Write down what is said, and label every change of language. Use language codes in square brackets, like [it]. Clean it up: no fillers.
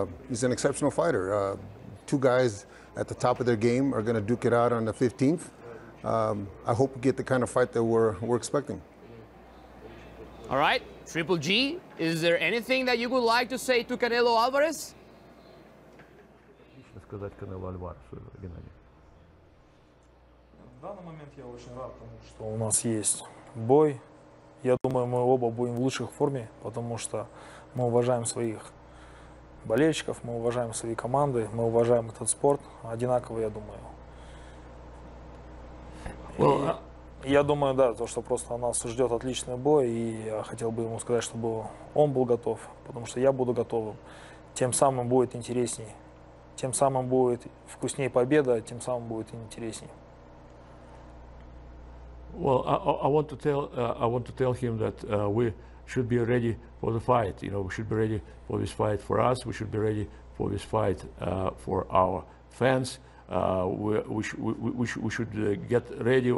[en] He's an exceptional fighter. Two guys at the top of their game are going to duke it out on the 15th. I hope we get the kind of fight that we're expecting. All right. Triple G, is there anything that you would like to say to Canelo Alvarez? [ru] сказать Канело Альваресу, Геннадий? В данный момент я очень рад тому, что у нас есть бой. Я думаю, мы оба будем в лучшей форме, потому что мы уважаем своих болельщиков, мы уважаем свои команды, мы уважаем этот спорт одинаково, я думаю. Well, я думаю, да, то, что просто нас ждет отличный бой, и я хотел бы ему сказать, чтобы он был готов, потому что я буду готовым. Тем самым будет интересней, тем самым будет вкуснее победа, тем самым будет интересней. [en] Well, I want to tell him that we should be ready for the fight. You know, we should be ready for this fight for us. We should be ready for this fight for our fans. We should get ready.